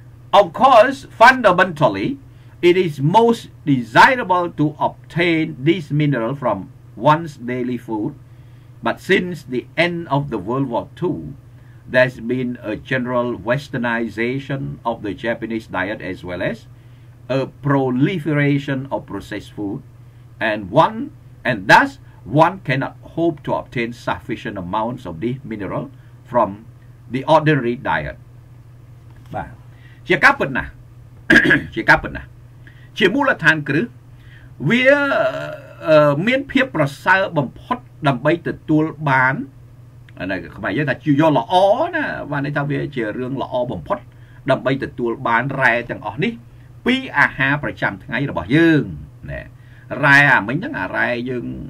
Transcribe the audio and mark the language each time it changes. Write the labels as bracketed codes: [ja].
[en] of course fundamentally it is most desirable to obtain this mineral from one's daily food but since the end of the World War II there's been a general westernization of the Japanese diet as well as a proliferation of processed food and thus one cannot hope to obtain sufficient amounts of this mineral from the ordinary diet. [km] បាទជាការពិតណាស់ជាការពិតណាស់ជាមូលដ្ឋានគ្រឹះវាមានភាពប្រសើរបំផុតដើម្បីទទួលបានណាខ្មែរយើងថាជាយកល្អណាបាទនេះថាវាជារឿងល្អបំផុតដើម្បីទទួលបានរ៉ែទាំងអស់នេះពីអាហារប្រចាំថ្ងៃរបស់យើងណារ៉ែអាមិញហ្នឹងអារ៉ែយើង